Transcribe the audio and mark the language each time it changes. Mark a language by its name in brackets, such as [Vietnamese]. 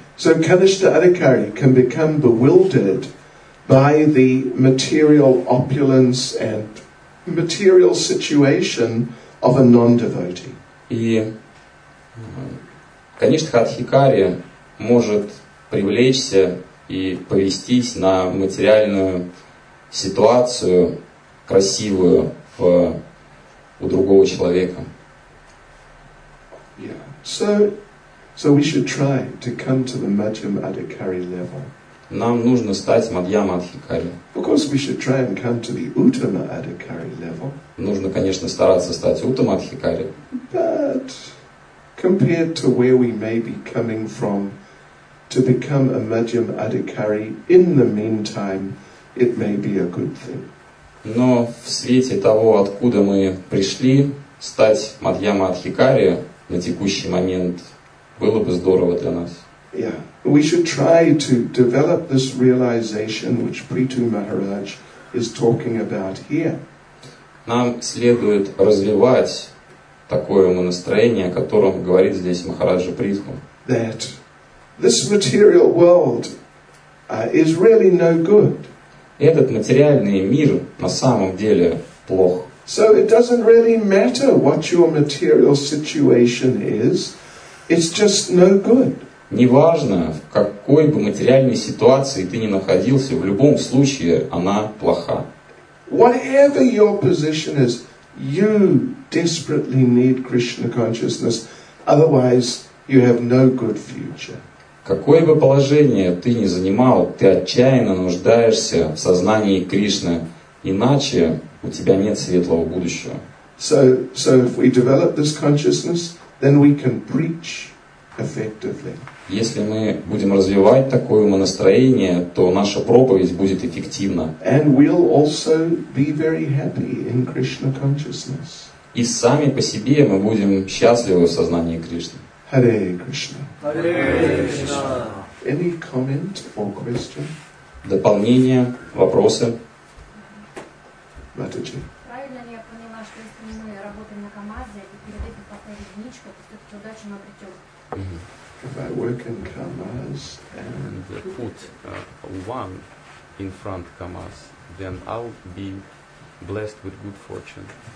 [English] So Kanishtha Adhikari can become bewildered by the material opulence and material situation of a non-devotee. [Russian] И Kanishtha Adhikari может привлечься и повестись на материальную ситуацию красивую в у другого человека. [English] Yeah. So we should try to come to the Madhyam Adhikari level. [Russian] Нам нужно стать Мадьяма Адхикари. [English] Of course we should try and come to the Uttama Adhikari level. [Russian] Нужно, конечно, стараться стать Уттама Адхикари. [English] But compared to where we may be coming from, to become a Madhyam Adhikari in the meantime, it may be a good thing. [Russian] Но в свете того, откуда мы пришли, стать Мадьяма Адхикари на текущий момент было бы здорово для нас. [English] Yeah. We should try to develop this realization which Prithu Maharaj is talking about here. [Russian] Нам следует развивать такое настроение, о котором говорит здесь Махараджа Притху. [English] That this material world is really no good. [Russian] Этот материальный мир на самом деле плох. [English] So it doesn't really matter what your material situation is. It's just no good. [Russian] Неважно, в какой бы материальной ситуации ты ни находился, в любом случае она плоха. [English] Whatever your position is, you desperately need Krishna consciousness. Otherwise, you have no good future. [Russian] Какое бы положение ты ни занимал, ты отчаянно нуждаешься в сознании Кришны, иначе у тебя нет светлого будущего. [English] So if we develop this consciousness, then we can preach effectively. [Russian] Если мы будем развивать такое умонастроение, то наша проповедь будет эффективна. [English] And we'll also be very happy in Krishna consciousness. [Russian] И сами по себе мы будем счастливы в сознании Кришны. [English] Hare Krishna. Hare Krishna. Any comment or question? [Russian] Дополнение, вопросы? Матаджи. Правильно ли я поняла, что если мы работаем на Камазе и перед этим поставим единичку, то все-таки удачу мы обретем? [English] If I work in Kamaz and put one in front Kamaz, then I'll be blessed with good fortune.